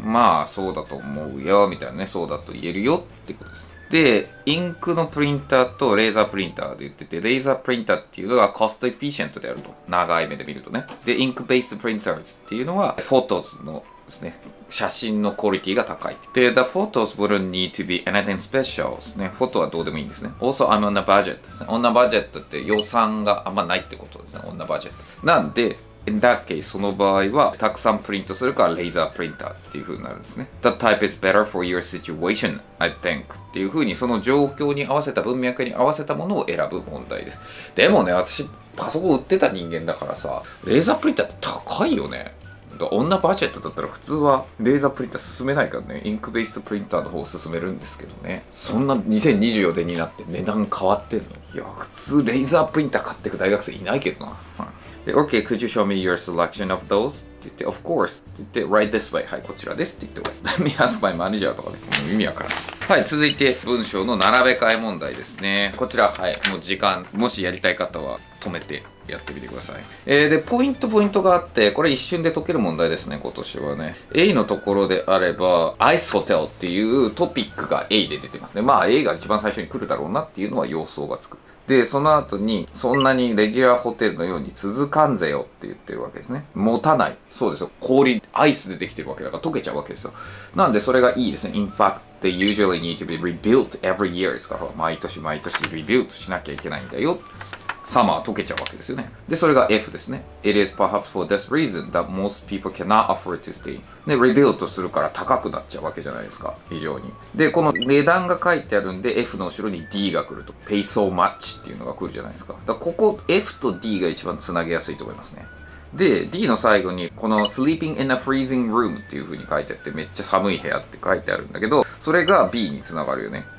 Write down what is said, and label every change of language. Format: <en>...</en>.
<ja>まあ、そうだと思うよみたいなね。そうだと言えるよってことです。で、インクのプリンターとレーザープリンターで言ってて、レーザープリンターっていうのがコストエフィシェントであると、長い目で見るとね。で、インクベースプリンターズっていうのはフォトズのですね、写真のクオリティが高い。</ja> <en>で、the photos wouldn't need to be anything special ですね。</en> <ja>フォトはどうでもいいんですね。</ja> <en>Also, I'm on a budget</en> <ja>ですね。on a budget って予算があんまないってことですね。 on a budget なんで、</ja> <en>in that case</en> <ja>その場合はたくさんプリントするからレーザープリンターっていう風になるんですね。</ja> <en>That type is better for your situation, I think</en> <ja>っていう風に、その状況に合わせた、文脈に合わせたものを選ぶ問題です。でもね、私パソコン売ってた人間だからさ、レーザープリンターって高いよね。女バジェットだったら普通はレーザープリンター進めないからね、インクベースプリンターの方を進めるんですけどね。そんな2024年になって値段変わってんの？いや、普通レーザープリンター買ってく大学生いないけどな。</ja> <en>で、OK, could you show me your selection of those?</en> <ja>って言って、</ja> <en>Of course!</en> <ja>って言って、</ja> <en>Right this way!</en> <ja>はい、こちらですって言って、</ja> <en>Let me ask my manager</en> <ja>とかね、もう意味わからんし。はい、続いて文章の並べ替え問題ですね。こちら、はい、もう時間、もしやりたい方は止めてやってみてください。で、ポイントがあって、これ一瞬で解ける問題ですね、今年はね。 A のところであれば、Ice Hotel っていうトピックが A で出てますね。まあ、A が一番最初に来るだろうなっていうのは予想がつく。で、その後に、そんなにレギュラーホテルのように続かんぜよって言ってるわけですね。持たない。そうですよ。氷、アイスでできてるわけだから溶けちゃうわけですよ。なんで、それがいいですね。</ja> <en>In fact, they usually need to be rebuilt every year.</en> <ja>ですから、毎年毎年 rebuilt しなきゃいけないんだよ。サマー溶けちゃうわけですよね。で、それが F ですね。</ja> <en>It is perhaps for this reason that most people cannot afford to stay.</en> <ja>で、rebuild するから高くなっちゃうわけじゃないですか。非常に。で、この値段が書いてあるんで、F の後ろに D が来ると。 pay so much っていうのが来るじゃないですか。だからここ、F と D が一番つなげやすいと思いますね。で、D の最後に、この</ja> <en>sleeping in a freezing room</en> <ja>っていう風に書いてあって、めっちゃ寒い部屋って書いてあるんだけど、それが B につながるよね。</ja>